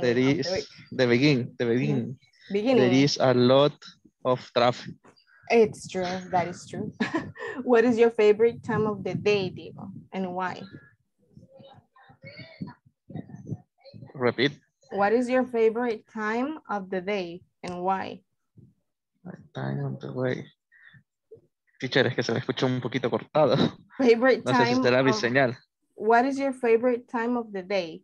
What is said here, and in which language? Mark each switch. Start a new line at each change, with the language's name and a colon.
English: There is a lot of traffic. It's true, that is true. What is your favorite time of the day, Diego, and why? Repeat. What is your favorite time of the day and why? Time of the day.
Spanish: Teacher, es que se me escucha un poquito cortado.
English: Favorite time.
Spanish: No sé si será mi señal.
English: What is your favorite time of the day?